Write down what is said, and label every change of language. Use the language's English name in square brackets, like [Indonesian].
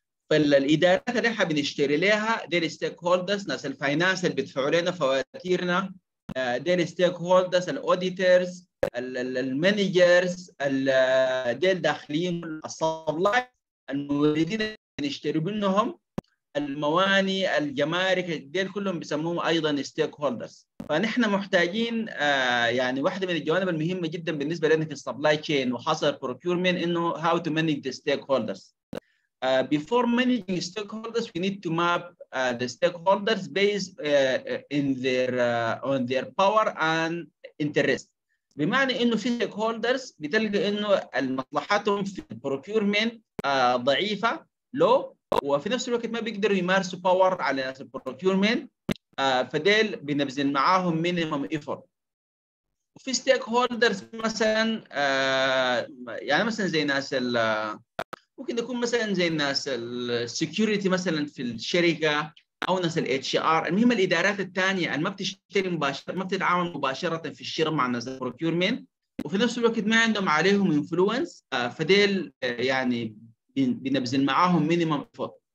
[Arabic] فالادارات اللي حابين نشتري لها ديل ستيك هولدرز، ناس الفاينانس اللي بيدفعوا لنا فواتيرنا، ديل ستيك هولدرز، الاوديترز، المانجرز، ديل داخلين السبلاي، الموردين اللي نشتري منهم، المواني، الجمارك، ديل كلهم بسموهم ايضا ستيك هولدرز. فنحن محتاجين يعني واحده من الجوانب المهمه جدا بالنسبه لنا في السبلاي تشين وخاصه البروكيورمنت انه [English] How to manage the stakeholders. Before managing stakeholders, we need to map the stakeholders based in their on their power and interest. [Arabic] بمعنى إنه في stakeholders بتلقى إنه المصلحاتهم في procurement ضعيفة low، وفي نفس الوقت ما بيقدروا يمارسوا power على ناس procurement، فديل بنبذل معاهم minimum effort. وفي stakeholders مثلاً يعني مثلاً زي ناس ال ممكن يكون مثلا زي الناس السكيورتي مثلا في الشركه او ناس الاتش ار، المهم الادارات الثانيه اللي ما بتشتري مباشره، ما بتتعامل مباشره في الشراء مع ناس البروكيورمنت، وفي نفس الوقت ما عندهم عليهم انفلونس، فديل يعني بنبذل معاهم مينيمم فوت.